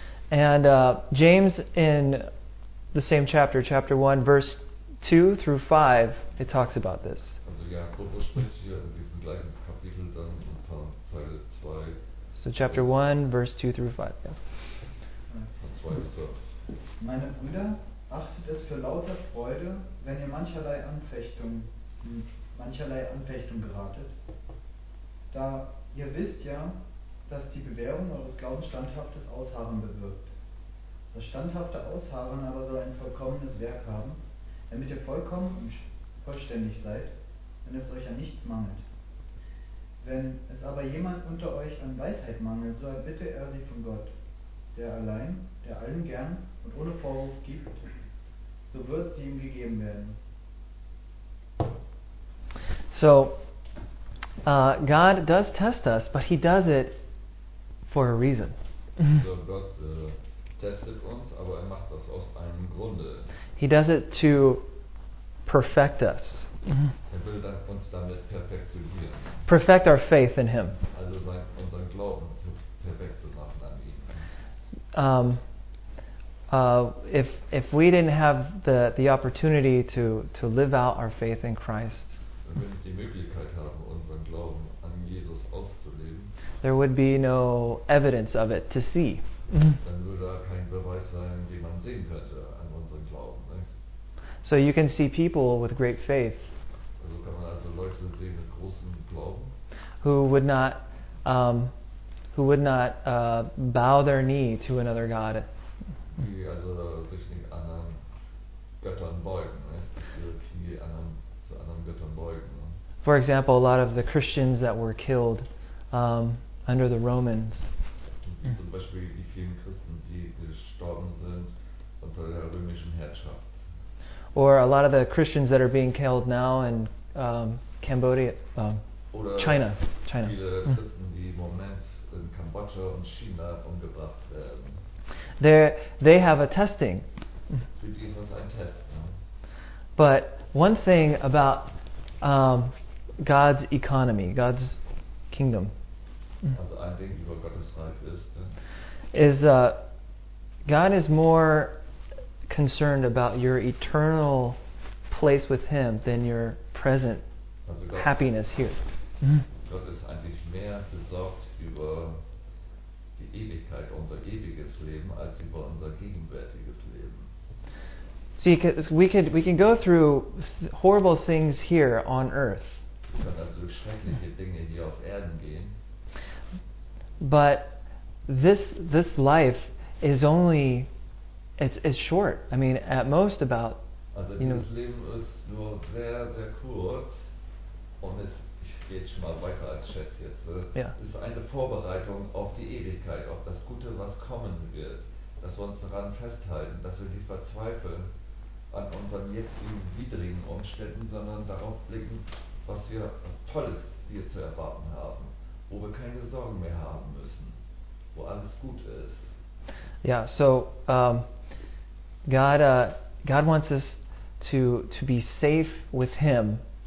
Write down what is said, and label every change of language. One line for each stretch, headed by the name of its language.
English: And James in the same chapter, chapter 1, verse 2 through 5, it talks about this.
German: Also Jakobus spricht hier in diesem gleichen Kapitel dann ein paar Zeile 2.
English: So chapter 1, verse 2 through 5, yeah.
German: Von 2 bis 5. Meine Brüder, achtet es für lauter Freude, wenn ihr mancherlei Anfechtung geratet. Da ihr wisst ja, das die Bewährung eures Glaubens standhaftes Ausharren bewirkt. Das standhafte Ausharren aber soll ein vollkommenes Werk haben, damit ihr vollkommen und vollständig seid, wenn es euch an nichts mangelt. Wenn es aber jemand unter euch an Weisheit mangelt, so erbitte er sie von Gott, der allein, der allen gern und ohne Vorwurf gibt, so wird sie ihm gegeben werden.
English: So, God does test us, but he does it for a reason.
German: So Gott testet uns, aber er macht das aus einem Grunde.
English: He does it to perfect us.
German: Er will uns damit perfektionieren.
English: Perfect our faith in him.
German: Also unseren Glauben perfekt zu machen an ihn.
English: If we didn't have the opportunity to live out our faith in Christ,
German: wenn wir nicht die Möglichkeit haben, unseren Glauben an Jesus auszuleben,
English: there would be no evidence of it to see.
German: Dann würde da kein Beweis sein, den man sehen könnte an unserem Glauben. Nicht?
English: So you can see people with great faith.
German: Also kann man also Leute sehen mit großem Glauben,
English: who would not bow their knee to another god.
German: Die also sich nicht anderen Göttern beugen, nicht? Ihre Knie zu anderen Göttern beugen. Nicht?
English: For example, a lot of the Christians that were killed under the Romans.
German: Zum Beispiel die vielen Christen, die gestorben sind unter der römischen Herrschaft.
English: Or a lot of the Christians that are being killed now in Cambodia, China.
German: Viele Christen, die im Moment in Kambodscha und China umgebracht werden.
English: They have a testing.
German: Für die ist das ein Test, ne?
English: But one thing about God's economy, God's kingdom.
German: Also ein Ding über Gottes Reich ist, ne?
English: Is God is more concerned about your eternal place with him than your present
German: also Gott,
English: happiness here.
German: Gott ist eigentlich mehr besorgt über die Ewigkeit, unser ewiges Leben, als über unser gegenwärtiges Leben.
English: See, we can go through horrible things here on earth.
German: Wir können also durch schreckliche Dinge hier auf Erden gehen.
English: But this life is only it's short. I mean, at most about
German: also
English: you know.
German: Also dieses Leben ist nur sehr sehr kurz und es ich gehe jetzt schon mal weiter als Chat jetzt.
English: Yeah.
German: Ist eine Vorbereitung auf die Ewigkeit, auf das Gute, was kommen wird, dass wir uns daran festhalten, dass wir nicht verzweifeln an unseren jetzigen widrigen Umständen, sondern darauf blicken, was wir Tolles hier zu erwarten haben. Wo wir keine Sorgen mehr haben müssen, wo alles gut ist.
English: Yeah, so God wants us to be safe with him.